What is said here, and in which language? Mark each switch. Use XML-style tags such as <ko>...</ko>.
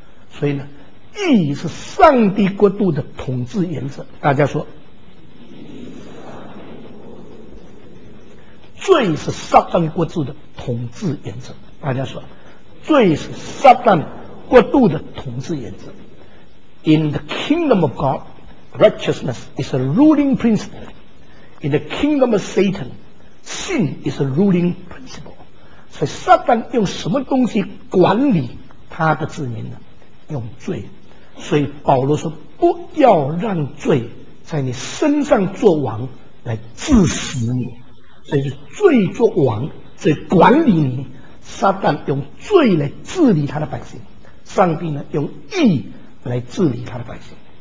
<zh>所以呢，义是上帝国度的统治原则。大家说，罪是撒旦国度的统治原则。大家说，罪是撒旦国度的统治原则。</zh> <en>In the kingdom of God, righteousness is a ruling principle. In the kingdom of Satan, sin is a ruling principle.</en> <zh>所以撒旦用什么东西管理他的子民呢？用罪。所以保罗说，不要让罪在你身上做王来致死你。所以是罪做王，罪管理你，撒旦用罪来治理他的百姓，上帝呢用义来治理他的百姓。</zh>